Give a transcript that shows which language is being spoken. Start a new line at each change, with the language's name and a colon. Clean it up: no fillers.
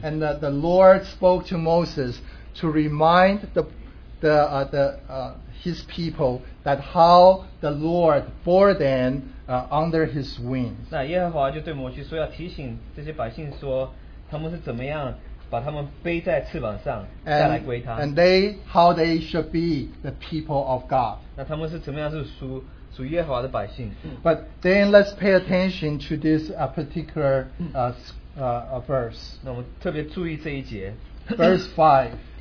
English: And the Lord spoke to Moses to remind his people that how the Lord bore them under his wings.
Chinese: 那耶和华就对摩西说，要提醒这些百姓说，他们是怎么样。
English: And they, how they should be the people of God. But then let's pay attention to this particular verse. Verse 5.